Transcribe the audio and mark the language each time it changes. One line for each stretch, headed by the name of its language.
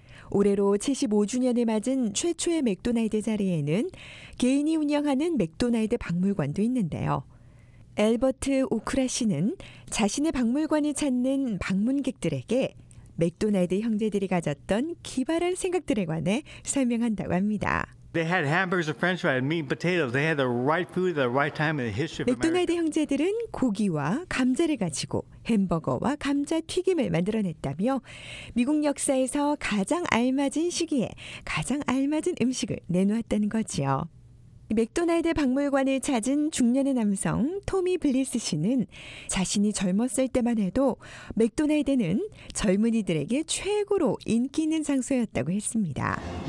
Korean: 올해로 75주년을 맞은 최초의 맥도날드 자리에는 개인이 운영하는 맥도날드 박물관도 있는데요. 엘버트 오크라 씨는 자신의 박물관을 찾는 방문객들에게 맥도날드 형제들이 가졌던 기발한 생각들에 관해 설명한다고 합니다.
English: They had hamburgers and french fries, meat and potatoes. They had the right food at the right time in the history of America.
Korean: 맥도날드 형제들은 고기와 감자를 가지고 햄버거와 감자 튀김을 만들어냈다며 미국 역사에서 가장 알맞은 시기에 가장 알맞은 음식을 내놓았다는 거지요. 맥도날드 박물관을 찾은 중년의 남성 토미 블리스 씨는 자신이 젊었을 때만 해도 맥도날드는 젊은이들에게 최고로 인기 있는 장소였다고 했습니다.